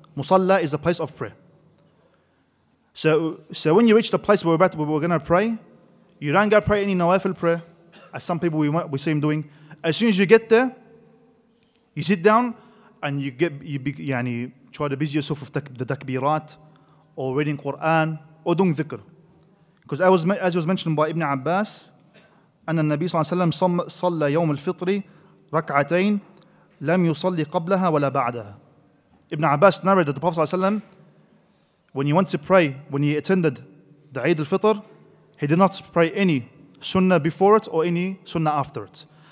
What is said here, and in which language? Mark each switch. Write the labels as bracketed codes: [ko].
[en] Musalla is the place of prayer. So when you reach the place where we're going to pray, you don't go pray any nawafil prayer, as some people we see him doing. As soon as you get there, you sit down, and you try to busy yourself with the takbirat, or reading Quran, or doing dhikr. Because as was mentioned by Ibn Abbas, [ar] أن النبي صلى الله عليه وسلم صلى يوم الفطر ركعتين لم يصلي قبلها ولا بعدها. [en] Ibn Abbas narrated that the Prophet when he went to pray, when he attended the Eid al-Fitr, he did not pray any sunnah before it or any sunnah after it.